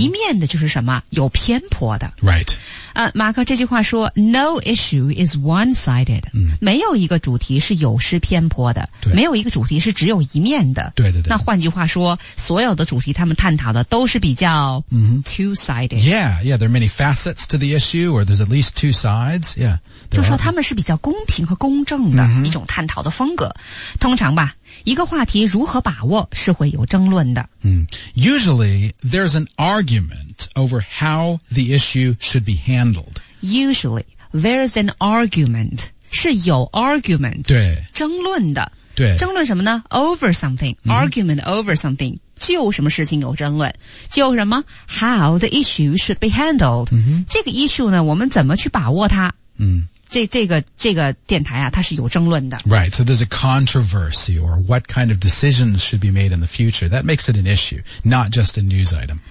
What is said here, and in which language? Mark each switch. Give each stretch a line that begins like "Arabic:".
Chinese: 一面的就是什么有偏颇的。
English: Right.
Chinese: 马克这句话说
English: no issue is one-sided.、 Mm-hmm.
Chinese: 没有一个主题是有失偏颇的对没有一个主题是只有一面的。对对对。那换句话说所有的主题他们探讨的都是比较、 mm-hmm.
English: two-sided. Yeah, yeah, there are many facets to the issue or there's at least two sides. Yeah.
Chinese: 就说他们是比较公平和公正的一种探讨的风格、 mm-hmm. 通常吧一个话题如何把握是会有争论的、 mm.
English: Usually there's an argument over how the issue should be handled Usually there's an argument
Chinese: 是有
English: argument
Chinese: 对争论的对争论什么呢
English: over something、 mm-hmm. argument over something
Chinese: 就什么事情有争论就什么
English: how the issue should be handled、 mm-hmm.
Chinese: 这个 issue 呢我们怎么去把握它嗯，这个电台啊，它是有争论的。
English: Right, so there's a controversy or what kind of decisions should be made in the future. That makes it an issue, not just a news item.